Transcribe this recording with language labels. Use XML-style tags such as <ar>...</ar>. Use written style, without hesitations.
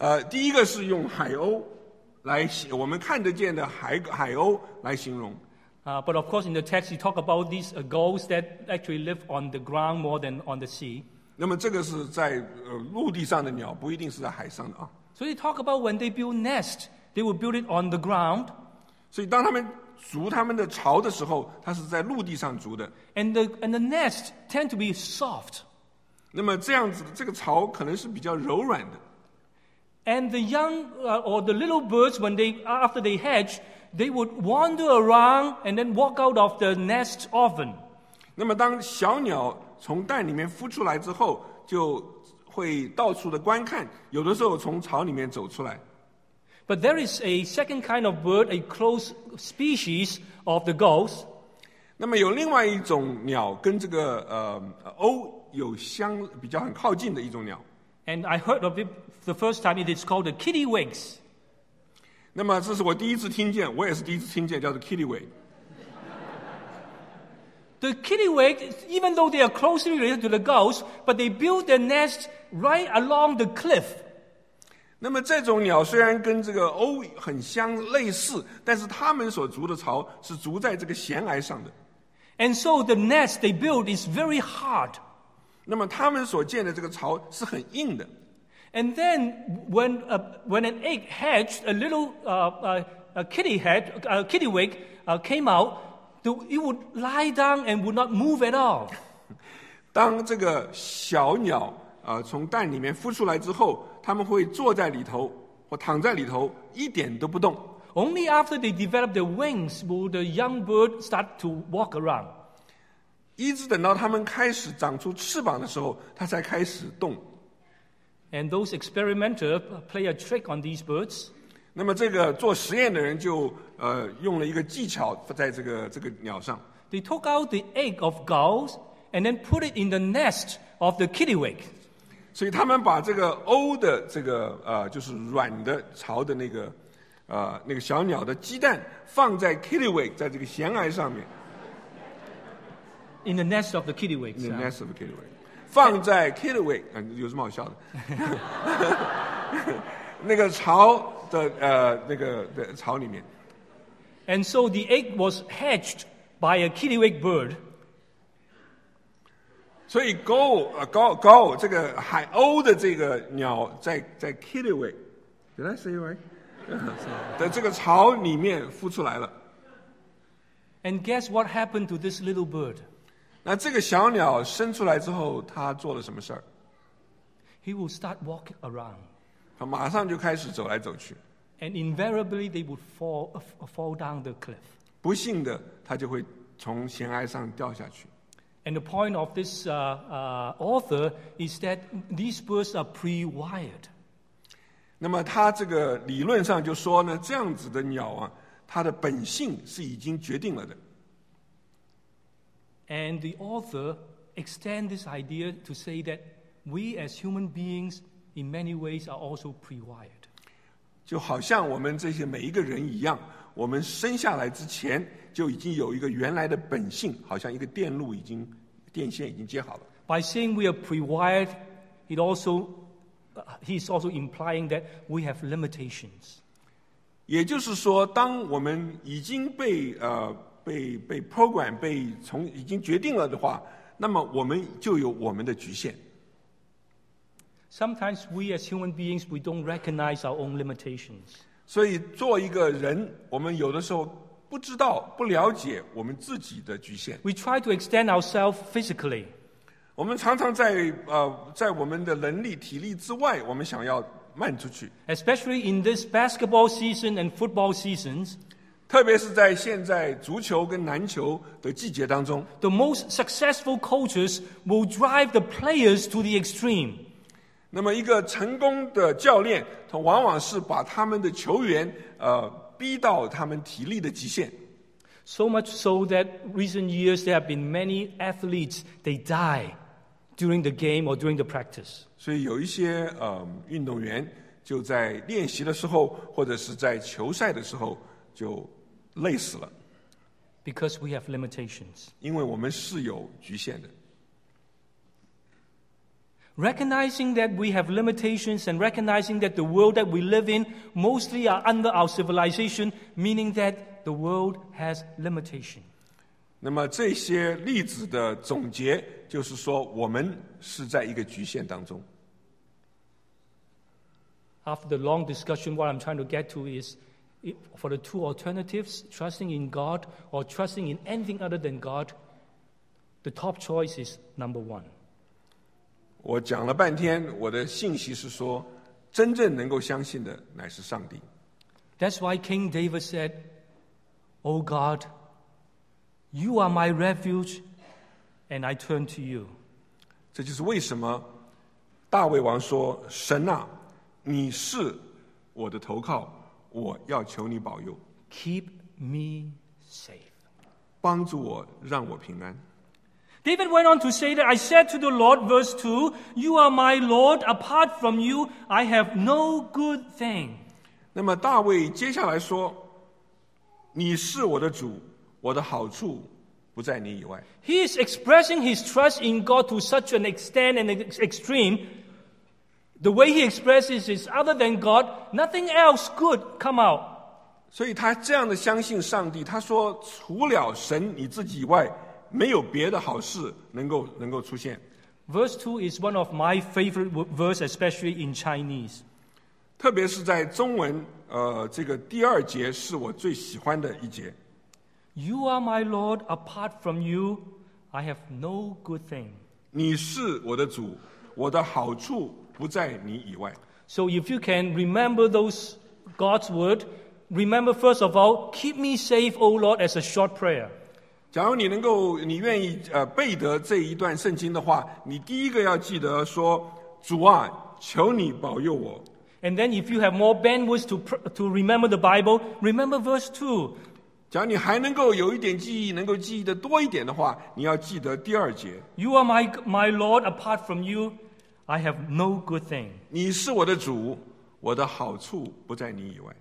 <zh>第一个是用海鸥来形，我们看得见的海鸥来形容。</zh> <en>But of course, in the text, you talk about these gulls that actually live on the ground more than on the sea.</en> <zh>那么这个是在陆地上的鸟，不一定是在海上的啊。</zh> <en>So you talk about when they build nest, they will build it on the ground.</en> <zh>所以当他们筑他们的巢的时候，它是在陆地上筑的。</zh> <en>And the nest tend to be soft.</en> <zh>那么这样子的这个巢可能是比较柔软的。</zh> <en>And the young or the little birds, when they after they hatch, they would wander around and then walk out of the nest often.</en> <zh>那么当小鸟从蛋里面孵出来之后，就会到处的观看，有的时候从巢里面走出来。</zh> <en>But there is a second kind of bird, a close species of the gulls.</en> <zh>那么有另外一种鸟跟这个鸥有相比较很靠近的一种鸟。</zh> <en>And I heard of it the first time. It is called the kittiwakes.</en> <zh>那么这是我第一次听见，我也是第一次听见，叫做 kittiwake.</zh> <en>The kittiwake, even though they are closely related to the gulls, but they build their nest right along the cliff.</en> <zh>那么这种鸟虽然跟这个鸥很相类似，但是它们所筑的巢是筑在这个悬崖上的。</zh> <en>And so the nest they build is very hard.</en> <zh>那么它们所建的这个巢是很硬的。</zh> <en>And then when an egg hatched, a little kittiwake came out, it would lie down and would not move at all.</en> <zh>当这个小鸟从蛋里面孵出来之后，他们会坐在里头或躺在里头，一点都不动。</zh> <en>Only after they develop their wings will the young bird start to walk around.</en> <zh>一直等到他们开始长出翅膀的时候，它才开始动。</zh> <en>And those experimenters play a trick on these birds.</en> <zh>那么这个做实验的人就用了一个技巧在这个鸟上。</zh> <en>They took out the egg of gulls and then put it in the nest of the kittiwake.</en> <zh>所以他们把这个鸥的这个就是软的巢的那个小鸟的鸡蛋放在 kittiwake 在这个悬崖上面。</zh> <en>In the nest of the kittiwake. In the nest of the kittiwake.</en> <zh>放在 kittiwake 有什么好笑的？那个巢的那个的巢里面。</zh> <en>And so the egg was hatched by a kittiwake bird.</en> <zh>所以 gull 这个海鸥的这个鸟在 kittiwake</zh> <en>did I say it right?</en> <zh>的这个巢里面孵出来了。</zh> <en>And guess what happened to this little bird?</en> <zh>那这个小鸟生出来之后它做了什么事儿？</zh> <en>He will start walking around.</en> <zh>它马上就开始走来走去。</zh> <en>And invariably they would fall down the cliff.</en> <zh>不幸的它就会从悬崖上掉下去。</zh> <en>And the point of this author is that these birds are pre-wired.</en> <zh>那么他这个理论上就说呢，这样子的鸟啊，它的本性是已经决定了的。</zh> <en>And the author extend this idea to say that we as human beings in many ways are also pre-wired.</en> <zh>就好像我们这些每一个人一样，我们生下来之前就已经有一个原来的本性，好像一个电路已经电线已经接好了。</zh> <en>By saying we are pre-wired, he's also implying that we have limitations.</en> <zh>也就是说，当我们已经被 program 被从已经决定了的话，那么我们就有我们的局限。</zh> <en>Sometimes we as human beings, we don't recognize our own limitations.</en> <zh>所以做一个人，我们有的时候不知道，不了解我们自己的局限。</zh> <en>We try to extend ourselves physically.</en> <zh>我们常常在在我们的能力、体力之外，我们想要迈出去。</zh> <en>Especially in this basketball season and football seasons.</en> <zh>特别是在现在足球跟篮球的季节当中</zh> <en>The most successful coaches will drive the players to the extreme.</en> <zh>那么一个成功的教练他往往是把他们的球员逼到他们体力的极限</zh> <en>So much so that recent years there have been many athletes they die during the game or during the practice.</en> <zh>所以有一些运动员就在练习的时候或者是在球赛的时候就累死了</zh> <en>Because we have limitations.</en> <zh>因为我们是有局限的</zh> <en>Recognizing that we have limitations and recognizing that the world that we live in mostly are under our civilization, meaning that the world has limitation.</en> <zh>那么这些例子的总结就是说我们是在一个局限当中</zh> <en>After the long discussion, what I'm trying to get to is For the two alternatives, trusting in God or trusting in anything other than God, the top choice is number one.</en> <zh>我讲了半天，我的信息是说，真正能够相信的乃是上帝。</zh> <en>That's why King David said, "O God, you are my refuge, and I turn to you."</en> <zh>这就是为什么大卫王说：“神啊，你是我的投靠。” 我要求你保佑</zh> <en>Keep me safe</en> <zh>帮助我让我平安</zh> <en>David went on to say that I said to the Lord verse 2 You are my Lord apart from you I have no good thing</en> <zh>那么大卫接下来说你是我的主我的好处不在你以外</zh> <en>He is expressing his trust in God to such an extent and extreme The way he expresses is other than God, nothing else good come out.</en> <zh>所以他这样的相信上帝，他说除了神你自己以外，没有别的好事能够出现。</zh> <en>Verse 2 is one of my favorite verse, especially in Chinese.</en> <zh>特别是在中文，这个第二节是我最喜欢的一节。</zh> <en>You are my Lord, apart from you, I have no good thing.</en> <zh>你是我的主，我的好处不在你以外。</zh> <en>So if you can remember those God's word, remember first of all, keep me safe, O Lord, as a short prayer.</en> <zh>假如你能够，你愿意背得这一段圣经的话，你第一个要记得说，主啊，求你保佑我。</zh> <en>And then if you have more bandwidth to remember the Bible, remember verse 2.</en> <zh>假如你还能够有一点记忆，能够记忆的多一点的话，你要记得第二节。</zh> <en>You are my Lord, apart from you. I have no good thing.</en> <zh>你是我的主，我的好处不在你以外。</zh>